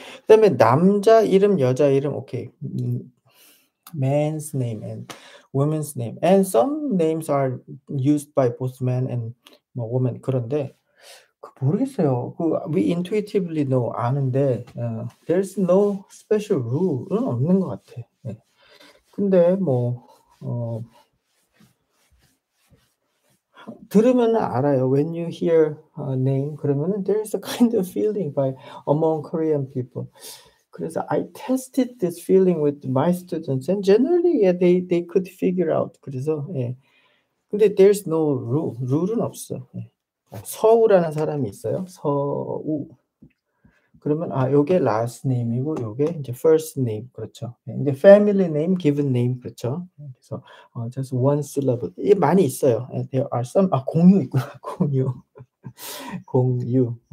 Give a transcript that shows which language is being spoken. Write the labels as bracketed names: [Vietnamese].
[Korean] 그다음에 남자 이름, 여자 이름, 오케이. [English] Man's name and woman's name. And some names are used by both man and woman. [Korean] 그런데 모르겠어요. [English] We intuitively know [Korean] 아는데 [English] there's no special rule [Korean] 은 없는 것 같아. [English] 네. [Korean] 근데 들으면 알아요. [English] When you hear a name, 그러면 there is a kind of feeling by among Korean people. 그래서 I tested this feeling with my students, and generally, yeah, they could figure out. [Korean] 그래서 예. 근데 [English] there's no rule. [Korean] 룰은 없어. 예. 서우라는 사람이 있어요. 서우. 그러면 아, 요게 last name이고 요게 이제 first name 그렇죠. 이제 family name, given name 그렇죠. 그래서 [English] just one syllable [Korean] 이 많이 있어요. [English] There are some [Korean] 아 공유 있구나 공유 공유.